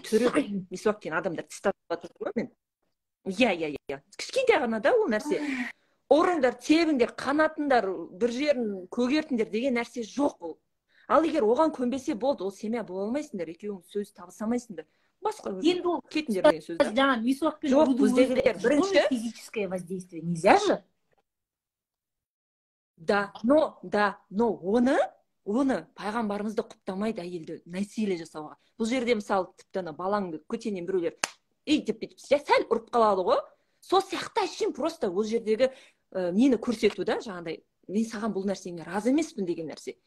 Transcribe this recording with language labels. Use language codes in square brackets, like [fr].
[kk] түрі мисуаккен адамдар тістатыпжатыр ғой. Мен иә кішкентай ғана да ол нәрсе, ұрыңдар, тебіңдер, қанатыңдар, бір жерін көгертіңдер деген нәрсе жоқ ол. Ал егер оған көнбесе болды, ол семья бола алмайсыңдар, екеуің сөз табыса алмайсыңдар, басқа енді ол кетіңдер деген сөз. Жаңағы мисуакпен жоқ, біздегілер бірінші [ru] физическое воздействие нельзя же. [kk] Да, но оны пайғамбарымызды құптамайды әйелді насилие жасауға. Бұл жерде мысалы тіпті ана балаңды көтенен біреулер деп бүйтіп сәл ұрып қалады ғой, сол сияқты әшейін просто ол жердегі нені көрсету да, жаңағыдай мен саған бұл нәрсеңе разы емеспін деген нәрсе.